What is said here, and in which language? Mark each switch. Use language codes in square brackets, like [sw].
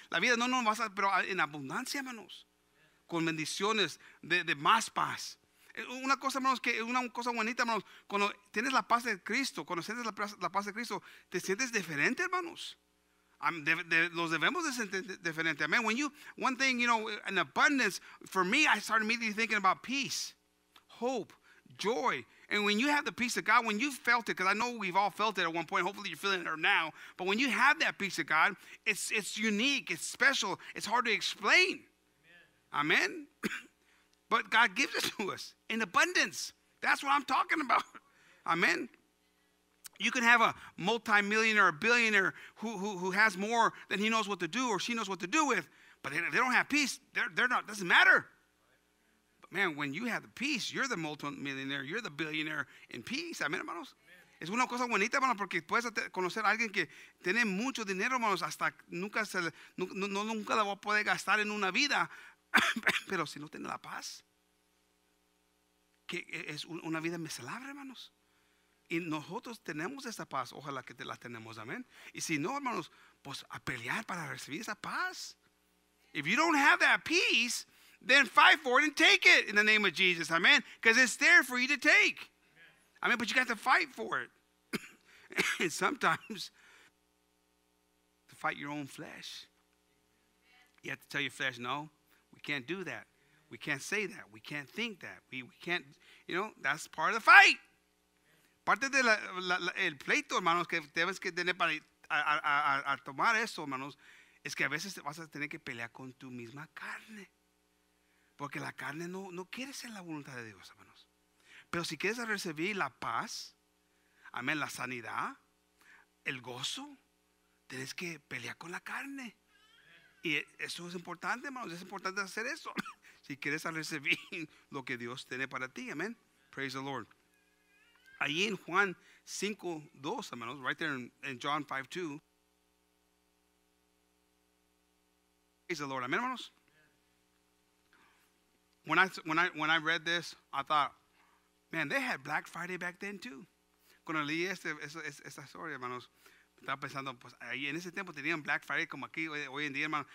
[es] La vida no pasa, pero en abundancia, hermanos. Con bendiciones de más paz. Una cosa, hermanos, que es una cosa bonita, hermanos. Cuando tienes la paz de Cristo, cuando sientes la paz de Cristo, te sientes diferente, hermanos. Los debemos de sentir diferente. Amen. [en] When you, one thing, you know, in abundance, for me, I started immediately thinking about peace, hope, joy. And when you have the peace of God, when you felt it, because I know we've all felt it at one point, hopefully you're feeling it now, but when you have that peace of God, it's unique, it's special, it's hard to explain. Amen. But God gives it to us in abundance. That's what I'm talking about. Amen. You can have a multimillionaire, a billionaire who has more than he knows what to do or she knows what to do with, but if they don't have peace, they're not, doesn't matter. But man, when you have the peace, you're the multimillionaire, you're the billionaire in peace. [es] Amen, hermanos. Es una cosa bonita, hermano, porque puedes conocer a alguien que tiene mucho dinero, hermanos, hasta nunca se nunca la va a poder gastar en una vida. Pero si no tiene la paz, que es una vida miserable, hermanos. Y nosotros tenemos esa paz, ojalá que la tenemos, amén. Y si no, hermanos, pues a pelear para recibir esa paz. [en] If you don't have that peace, then fight for it and take it in the name of Jesus, amén. Because it's there for you to take. I mean, but you got to fight for it. And sometimes, to fight your own flesh. You have to tell your flesh, no. We can't do that. We can't say that. We can't think that. We can't, you know, that's part of the fight. [es] Parte de el pleito, hermanos, que debes que tener para a tomar eso, hermanos, es que a veces vas a tener que pelear con tu misma carne. Porque la carne no quiere ser la voluntad de Dios, hermanos. Pero si quieres recibir la paz, amén, la sanidad, el gozo, tienes que pelear con la carne. Y eso es importante, hermanos. Es importante hacer eso. Si quieres recibir lo que Dios tiene para ti. Amen. [en] Praise the Lord. [es] Ahí en Juan 5:2, hermanos. [en] Right there in John 5:2. Praise the Lord. Amen, hermanos. When I read this, I thought, man, they had Black Friday back then too. [es] Cuando leí esta historia, hermanos. Estaba pensando, pues ahí en ese tiempo tenían Black Friday como aquí hoy en día, hermano.